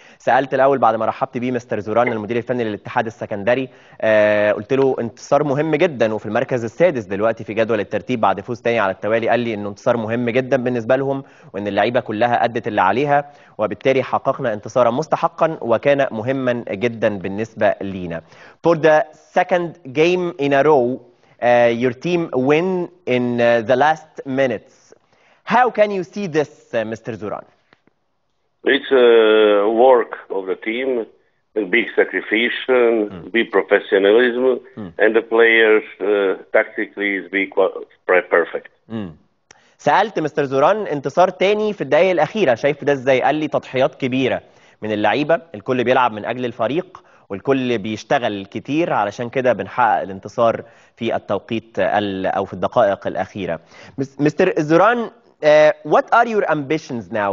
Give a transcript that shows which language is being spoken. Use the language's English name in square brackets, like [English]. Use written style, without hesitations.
[Arabic] سألت الأول بعد ما رحبت بيه مستر زوران المدير الفني للاتحاد السكندري, قلت له انتصار مهم جدا وفي المركز السادس دلوقتي في جدول الترتيب بعد فوز تاني على التوالي. قال لي انه انتصار مهم جدا بالنسبة لهم وان اللعيبة كلها أدت اللي عليها وبالتالي حققنا انتصارا مستحقا وكان مهما جدا بالنسبة لينا. [English] For the second game in a row, your team win in the last minutes. How can you see this, Mr. Zuran? It's a work of the team, a big sacrifice, big professionalism, and the players tactically is be quite perfect. [Arabic] سألت مستر زوران انتصار تاني في الدقايق الأخيرة, شايف ده ازاي؟ قال لي تضحيات كبيرة من اللعيبة, الكل بيلعب من أجل الفريق والكل بيشتغل كتير علشان كده بنحقق الانتصار في التوقيت أو في الدقائق الأخيرة. [English] Mister Zoran, what are your ambitions now?